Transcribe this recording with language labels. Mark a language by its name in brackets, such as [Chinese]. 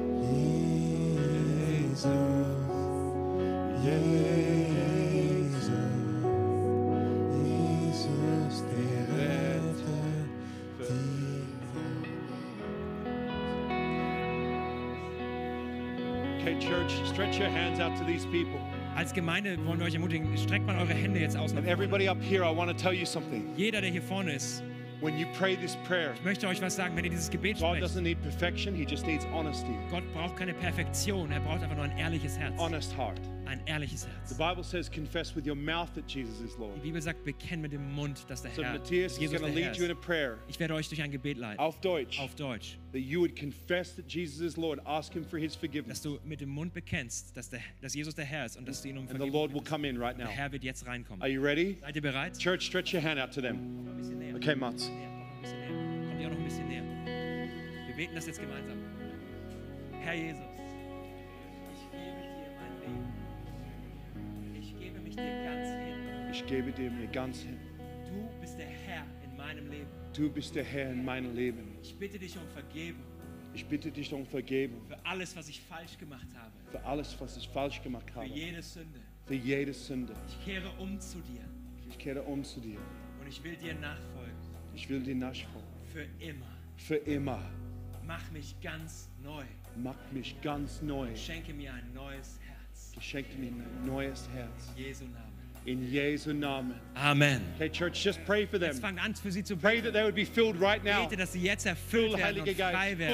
[German] Jesus, Jesus, Jesus, der Retter dieser Welt. [English] Okay, Church, stretch your hands out to these people. [German] Als Gemeinde wollen wir euch ermutigen, streckt mal eure Hände jetzt aus. [English] And everybody up here, I want to tell you something. [German] Jeder, der hier vorne ist, [English] when you pray this prayer, [German] ich möchte euch was sagen, wenn ihr dieses Gebet sprecht. [English] God doesn't need perfection, he just needs honesty. [German] Gott braucht keine Perfektion, er braucht einfach nur ein ehrliches Herz. [English] Honest heart. [German] Ein ehrliches Herz. [English] The Bible says, confess with your mouth that Jesus is Lord. [German] Die Bibel sagt, bekenn mit dem Mund, dass der Herr [English] so Matthias Jesus is lead you in a prayer. [German] Ich werde euch durch ein Gebet leiten. Auf Deutsch. Auf Deutsch. [English] That you would confess that Jesus is Lord, ask him for his forgiveness. [German] Dass du mit dem Mund bekennst, dass Jesus der Herr ist und dass du ihn um Vergebung bittest. [English] And the Lord will come in right now. [German] Der Herr wird jetzt reinkommen. [English] Are you ready? [German] Seid ihr bereit? [English] Church, stretch your hand out to them. Okay, Mats. [German] Kommt ihr auch noch ein bisschen näher. Wir beten das jetzt gemeinsam. Herr Jesus, ich gebe dir mein Leben. Ich gebe mich dir ganz hin. Ich gebe dir mir ganz hin. Du bist der Herr in meinem Leben. Du bist der Herr in meinem Leben. Ich bitte dich um Vergebung. Ich bitte dich um Vergebung. Für alles, was ich falsch gemacht habe. Für alles, was ich falsch gemacht habe. Für jede Sünde. Für jede Sünde. Ich kehre um zu dir. Ich kehre um zu dir. Und ich will dir nachfolgen. Ich will dir nachfolgen. Für immer. Für immer. Mach mich ganz neu. Mach mich ganz neu. Schenke mir ein neues Herz. Schenke mir ein neues Herz. In Jesu Namen. In Jesu Namen. Amen. [English] Okay, Church, just pray for them. [German] Jetzt fang an, für sie zu beten. [English] Pray that they would be filled right now. [German] Bete, dass sie jetzt erfüllt werden und frei werden.